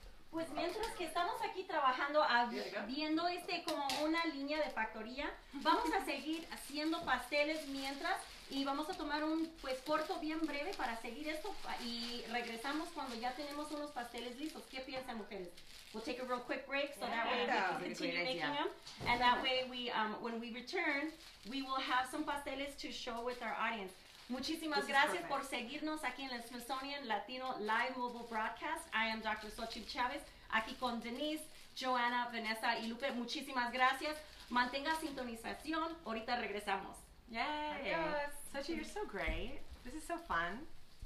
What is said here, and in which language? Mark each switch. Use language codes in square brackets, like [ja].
[es] Pues mientras que estamos aquí trabajando, viendo este como una línea de factoría, vamos a seguir haciendo pasteles mientras y vamos a tomar un pues corto bien breve para seguir esto y regresamos cuando ya tenemos unos pasteles listos. ¿Qué piensan, mujeres? [en] We'll take a real quick break so that way we can continue making them. And that way we, when we return, we will have some pasteles to show with our audience. [es] Muchísimas gracias por seguirnos aquí en el Smithsonian Latino Live Mobile Broadcast. [en] I am [es] Dr. Xochitl Chavez, aquí con Denise, Joanna, Vanessa y Lupe. Muchísimas gracias. Mantenga sintonización. Ahorita regresamos. [en] Yay! Adios. Sochi, you're so great. This is so fun.